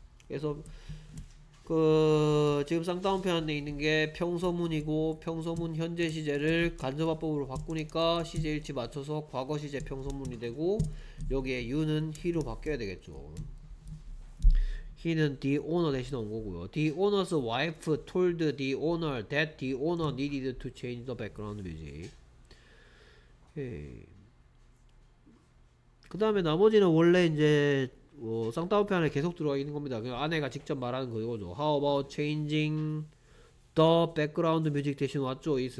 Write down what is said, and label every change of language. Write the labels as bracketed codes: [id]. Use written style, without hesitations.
[ko] 그래서 그 지금 쌍따옴표한테 있는 게 평소문이고 평소문 현재 시제를 간접화법으로 바꾸니까 시제 일치 맞춰서 과거 시제 평소문이 되고 여기에 유는 히로 바뀌어야 되겠죠. 히는 the owner 대신 온 거고요. [en] The owner's wife told the owner that the owner needed to change the background music. [ko] 그 다음에 나머지는 원래 이제 뭐 쌍따옴표 안에 계속 들어와 있는 겁니다. 그냥 아내가 직접 말하는 거죠. [en] How about changing the background music [ko] 대신 [en] what choice?